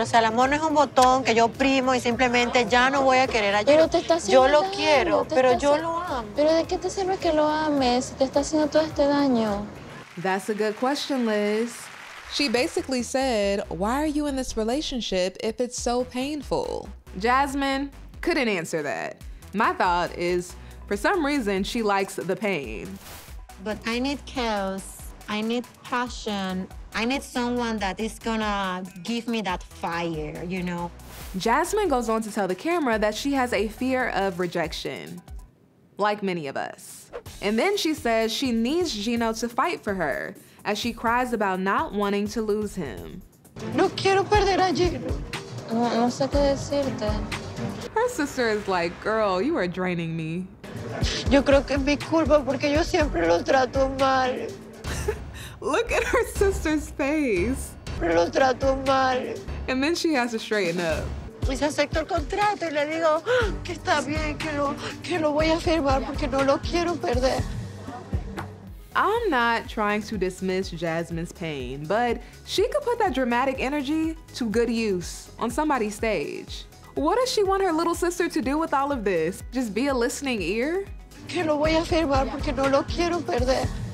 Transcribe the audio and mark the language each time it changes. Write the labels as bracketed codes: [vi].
[es] O sea, el amor no es un botón que yo oprimo y simplemente ya no voy a querer a Gino. Pero te está haciendo yo lo daño. Quiero, pero yo lo amo. Pero ¿de qué te sirve que lo ames si te está haciendo todo este daño? [en] That's a good question, Liz. She basically said, why are you in this relationship if it's so painful? Jasmine couldn't answer that. My thought is, for some reason, she likes the pain. But I need chaos, I need passion, I need someone that is gonna give me that fire, you know? Jasmine goes on to tell the camera that she has a fear of rejection, like many of us. And then she says she needs Gino to fight for her as she cries about not wanting to lose him. [es] No quiero perder a Gino. No sé qué decirte. [en] Her sister is like, girl, you are draining me. [es] Yo creo que es mi culpa porque yo siempre los trato mal. [en] Look at her sister's face. [es] Pero los trato mal. [en] And then she has to straighten up. [es] Pues acepto el contrato y le digo que está bien, que lo voy a firmar porque no lo quiero perder. [en] I'm not trying to dismiss Jasmine's pain, but she could put that dramatic energy to good use on somebody's stage. What does she want her little sister to do with all of this? Just be a listening ear? [es] Que lo voy a firmar porque no lo quiero perder.